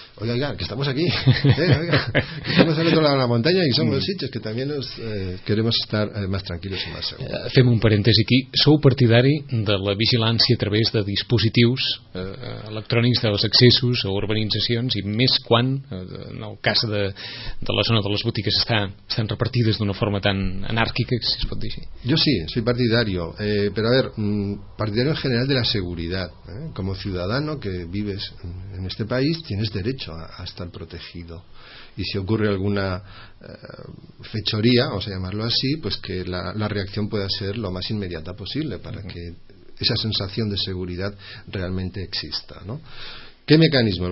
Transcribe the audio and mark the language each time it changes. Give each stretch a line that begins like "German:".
Spanish: Oiga, que estamos aquí, que estamos al otro lado de la montaña y somos sitios que también nos queremos estar más tranquilos y más seguros.
Catalan: Fem un parèntesi aquí. Sou partidari de la vigilància a través de dispositius electrònics dels accessos a urbanitzacions, i més quan en el cas de la zona de les botigues estan repartides d'una forma tan anàrquica, si es pot dir així? Jo sí,
Spanish: soy partidario, però a ver, partidario en general de la seguridad. Como ciudadano que vives en este país, tienes derecho a estar protegido, y si ocurre alguna fechoría, vamos a llamarlo así, pues que la reacción pueda ser lo más inmediata posible para que esa sensación de seguridad realmente exista, ¿no? ¿Qué mecanismos?